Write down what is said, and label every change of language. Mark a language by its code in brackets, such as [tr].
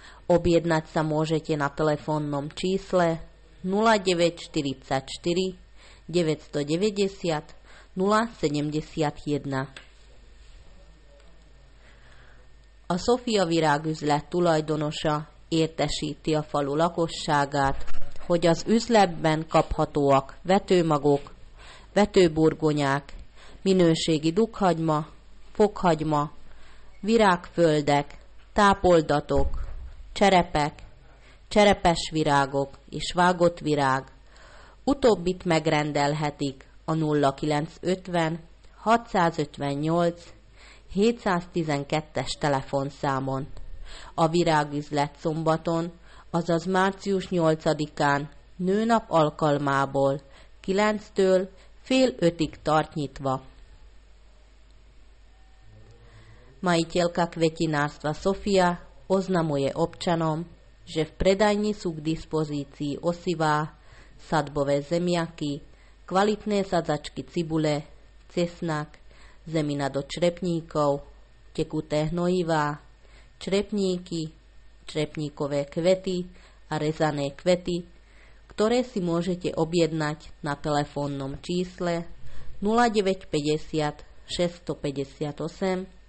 [sk] Objednať sa môžete na telefónnom čísle 0944 990 071. [hu] A Szofia virágüzlet tulajdonosa értesíti a falu lakosságát, hogy az üzletben kaphatóak vetőmagok, vetőburgonyák, minőségi dukhagyma, fokhagyma, virágföldek, tápoldatok, cserepek, cserepes virágok és vágott virág. Utóbbit megrendelhetik a 0950 658 712-es telefonszámon. A virágüzlet szombaton, azaz március 8-án nőnap alkalmából 9-től fél 5-ig tart nyitva. [sk] Majiteľka kvetinárstva Sofia oznamuje občanom, že v predajni sú k dispozícii osivá, sadbové zemiaky, kvalitné sadzačky cibule, cesnak, zemina do črepníkov, tekuté hnojivá, črepníky, črepníkové kvety a rezané kvety, ktoré si môžete objednať na telefónnom čísle 0950 658 712.